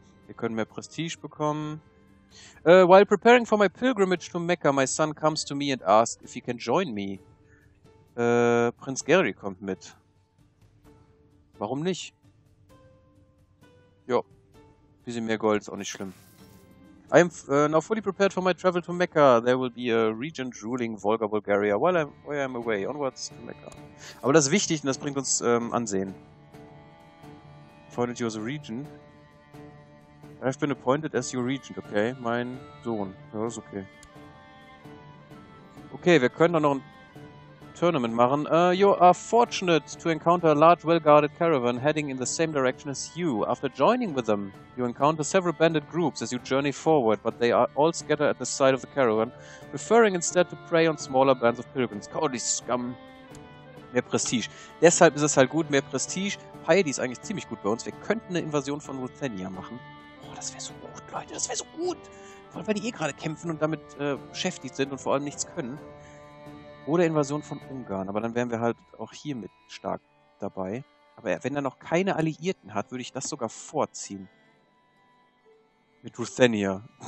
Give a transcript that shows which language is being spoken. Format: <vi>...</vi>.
<de>Wir können mehr Prestige bekommen.</de> <en>While preparing for my pilgrimage to Mecca, my son comes to me and asks if he can join me.</en> <de>Prinz Gary kommt mit. Warum nicht? Jo, ein bisschen mehr Gold ist auch nicht schlimm.</de> <en>I am now fully prepared for my travel to Mecca. There will be a regent ruling Volga Bulgaria while I'm away. Onwards to Mecca.</en> <de>Aber das ist wichtig und das bringt uns Ansehen.</de> <en>Appointed you as a regent. I've been appointed as your regent, okay?</en> <de>Mein Sohn. Ja, ist okay. Okay, wir können doch noch ein Tournament machen.</de> <en>You are fortunate to encounter a large, well-guarded caravan heading in the same direction as you. After joining with them, you encounter several bandit groups as you journey forward, but they are all scattered at the side of the caravan, preferring instead to prey on smaller bands of pilgrims. Cowardly scum.</en> <de>Mehr Prestige. Deshalb ist es halt gut, mehr Prestige. Piety ist eigentlich ziemlich gut bei uns. Wir könnten eine Invasion von Ruthenia machen. Oh, das wäre so gut, Leute. Das wäre so gut. Vor allem, weil die eh gerade kämpfen und damit beschäftigt sind und vor allem nichts können. Oder Invasion von Ungarn. Aber dann wären wir halt auch hier mit stark dabei. Aber wenn er noch keine Alliierten hat, würde ich das sogar vorziehen. Mit Ruthenia.</de>